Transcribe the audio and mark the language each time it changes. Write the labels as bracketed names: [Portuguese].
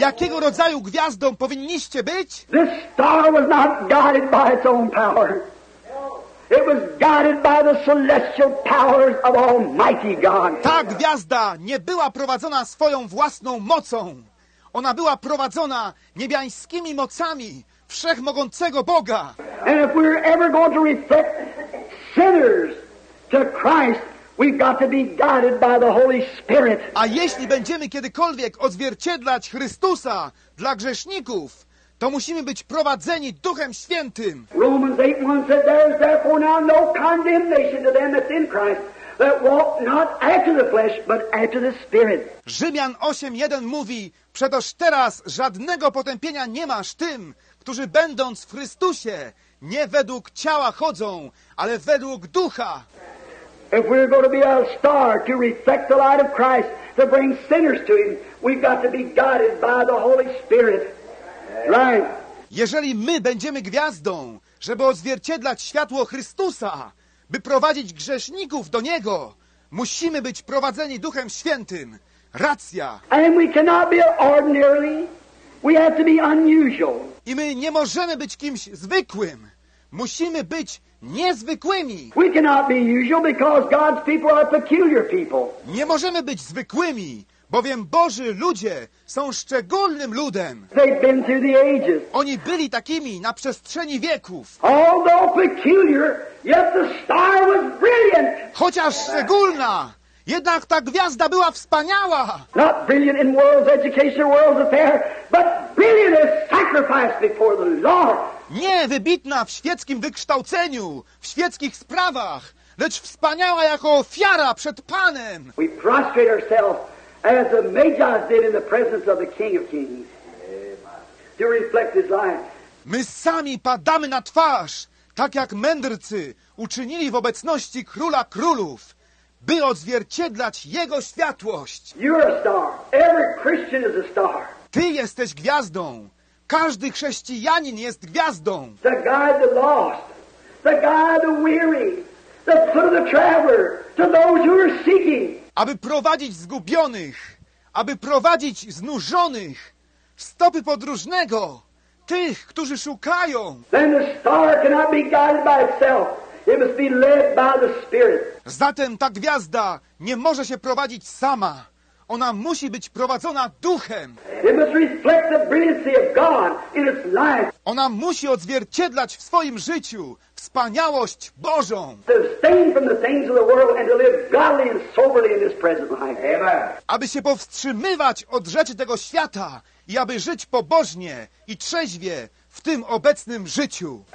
[Polish] Jakiego rodzaju gwiazdą powinniście być? [English] This star was not guided by its own power. It was guided by the celestial powers of Almighty God. [Polish] Ta gwiazda nie była prowadzona swoją własną mocą. Ona była prowadzona niebiańskimi mocami wszechmogącego Boga. [English] And if we're ever going to reflect sinners to Christ, we've got to be guided by the Holy Spirit. [Polish] A jeśli będziemy kiedykolwiek odzwierciedlać Chrystusa dla grzeszników, to musimy być prowadzeni Duchem Świętym. [English] Romans 8:1 said, there is therefore now no condemnation to them that's in Christ, that walk not after the flesh, but after the Spirit. [Polish] Rzymian 8:1 mówi, przetoż teraz żadnego potępienia nie masz tym, którzy będąc w Chrystusie, nie według ciała chodzą, ale według Ducha. [English] If we're going to be a star to reflect the light of Christ, to bring sinners to Him, we've got to be guided by the Holy Spirit. Right. [Polish] Jeżeli my będziemy gwiazdą, żeby odzwierciedlać światło Chrystusa, by prowadzić grzeszników do Niego, musimy być prowadzeni Duchem Świętym. Racja. [English] And we cannot be ordinary. We have to be unusual. [Polish] I my nie możemy być kimś zwykłym. Musimy być niezwykłymi. [English] We cannot be usual because God's people are peculiar people. [Polish] Nie możemy być zwykłymi, bowiem Boży ludzie są szczególnym ludem. [English] They've been through the ages. [Polish] Oni byli takimi na przestrzeni wieków. [English] Although peculiar, yet the star was brilliant. [Polish] Chociaż szczególna, jednak ta gwiazda była wspaniała. [English] Not brilliant in world's education, world's affair, but brilliant as sacrifice before the Lord. [Polish] Nie wybitna w świeckim wykształceniu, w świeckich sprawach, lecz wspaniała jako ofiara przed Panem. [English] We prostrate ourselves as the Magi did in the presence of the King of Kings to reflect His light. [Polish] My sami padamy na twarz, tak jak mędrcy uczynili w obecności Króla Królów, by odzwierciedlać Jego światłość. [English] You're a star. Every Christian is a star. [Polish] Ty jesteś gwiazdą. Każdy chrześcijanin jest gwiazdą. [English] To guide the lost, to guide the weary, to put the traveler, to those who are seeking. [Polish] Aby prowadzić zgubionych, aby prowadzić znużonych, stopy podróżnego, tych, którzy szukają. [English] Then the star cannot be guided by itself. It must be led by the Spirit. [Polish] Zatem ta gwiazda nie może się prowadzić sama. Ona musi być prowadzona Duchem. [English] It must reflect the brilliancy of God in its life. [Polish] Ona musi odzwierciedlać w swoim życiu wspaniałość Bożą. [English] To abstain from the things of the world and to live godly and soberly in this present life. Amen. [Polish] Aby się powstrzymywać od rzeczy tego świata i aby żyć pobożnie i trzeźwie w tym obecnym życiu.